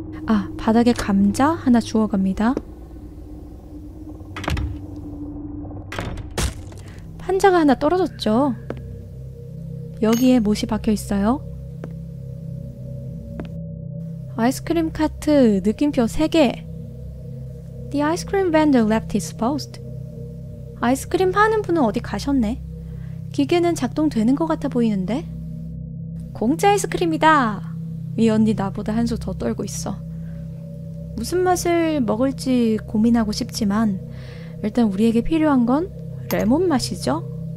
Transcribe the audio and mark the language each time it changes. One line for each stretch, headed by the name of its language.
Korean: 아, 바닥에 감자 하나 주워갑니다. 판자가 하나 떨어졌죠. 여기에 못이 박혀있어요. 아이스크림 카트 느낌표 3개.
English: The ice cream vendor left his post.
Korean: 아이스크림 파는 분은 어디 가셨네. 기계는 작동되는 것 같아 보이는데? 공짜 아이스크림이다! 이 언니 나보다 한 수 더 떨고 있어. 무슨 맛을 먹을지 고민하고 싶지만 일단 우리에게 필요한 건 레몬 맛이죠.